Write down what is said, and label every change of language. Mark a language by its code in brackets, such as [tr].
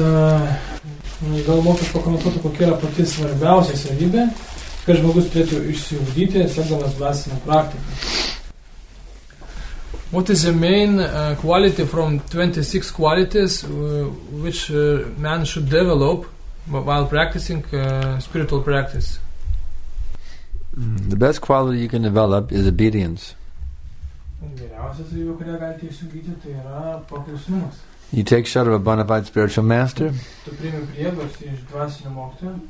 [lt] Gal mokytis pakomentuoti, kokia yra pati svarbiausia savybė, kad žmogus turėtų išsiugdyti sekdamas dvasinę praktiką. [en] What is the main quality from 26 qualities which man should develop while practicing spiritual practice? The best quality you can develop is obedience. [lt] Geriausias savybė, kurią galite išsiugdyti, tai yra paklusnumas. [en] You take shelter of a bona fide spiritual master. [lt] Tu priimi prieglobstį iš dvasinio mokytojo.